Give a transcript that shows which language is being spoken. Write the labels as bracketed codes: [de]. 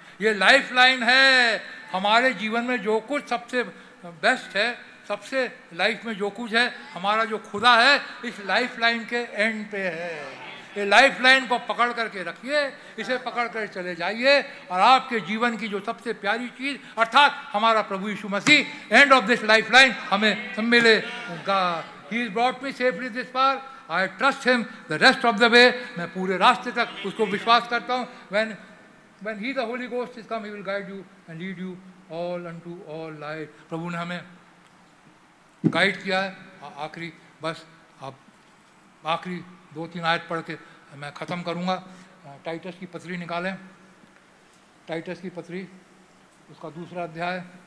[hi] ये life line है हमारे जीवन में, जो कुछ सबसे बेस्ट है, सबसे लाइफ में जो कुछ है, हमारा जो खुदा है इस लाइफ लाइन के एंड पे है। ये लाइफ लाइन को पकड़ करके रखिए, इसे पकड़ कर चले जाइए और आपके जीवन की जो सबसे प्यारी चीज अर्थात हमारा प्रभु यीशु मसीह [en] end of this life line [hi] हमें मिलेगा। [en] He is brought me safely this far, I trust him the rest of the way. [hi] मैं पूरे रास्ते तक उसको विश्वास करता हूँ। [en] When he the Holy Ghost is come, he will guide you and lead you all unto all life. [hi] प्रभु ने हमें गाइड किया है. आखिरी बस आप आखिरी दो तीन आयत पढ़ के मैं ख़त्म करूँगा. टाइटस की पत्री निकालें, टाइटस की पत्री उसका दूसरा अध्याय.